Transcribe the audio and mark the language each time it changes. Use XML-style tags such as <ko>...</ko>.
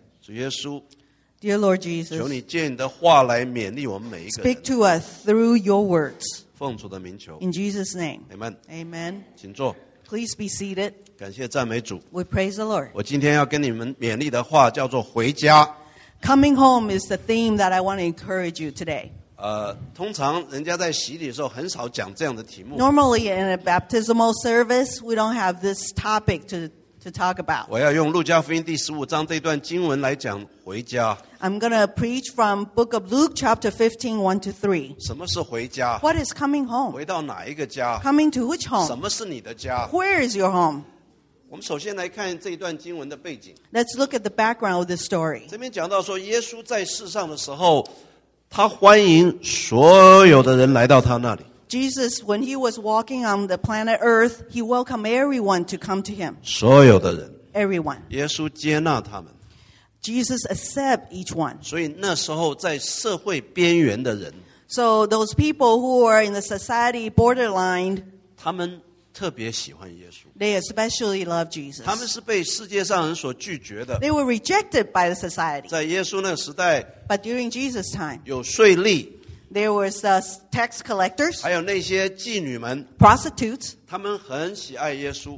<zh>主耶稣，</zh> <en>Dear Lord Jesus,</en> <zh>求你借你的话来勉励我们每一个人。</zh> <en>Speak to us through your words.</en> <zh>奉主的名求。</zh> <en>In Jesus' name. Amen. Amen.</en> <zh>请坐。</zh> <en>Please be seated.</en> <zh>感谢赞美主。</zh> <en>We praise the Lord.</en> <zh>我今天要跟你们勉励的话叫做回家。</zh> <en>Coming home is the theme that I want to encourage you today.</en> <zh>通常人家在洗礼的时候很少讲这样的题目。</zh> <en>Normally in a baptismal service, we don't have this topic to talk about.</en> <zh>我要用路加福音第十五章这段经文来讲回家。</zh> <en>I'm going to preach from book of Luke chapter 15, 1 to 3.</en> <zh>什么是回家?</zh> <en>What is coming home?</en> <zh>回到哪一个家?</zh> <en>Coming to which home?</en> <zh>什么是你的家?</zh> <en>Where is your home?</en> <zh>我们首先来看这一段经文的背景。</zh> <en>Let's look at the background of this story.</en> <zh>这边讲到说耶稣在世上的时候他欢迎所有的人来到他那里。</zh> <en>Jesus, when he was walking on the planet Earth, he welcomed everyone to come to him.</en> <zh>所有的人。</zh> <en>Everyone.</en> <zh>耶稣接纳他们。</zh> <en>Jesus accept each one.</en> <zh>所以那时候在社会边缘的人。</zh> <en>So those people who are in the society borderline.</en> <zh>他们特别喜欢耶稣。</zh> <en>They especially love Jesus.</en> <zh>他们是被世界上人所拒绝的。</zh> <en>They were rejected by the society.</en> <zh>在耶稣那个时代。</zh> <en>But during Jesus' time.</en> <zh>有税吏。</zh> <en>There was tax collectors.</en> <zh>还有那些妓女们。</zh> <en>Prostitutes.</en> <zh>他们很喜爱耶稣。</zh>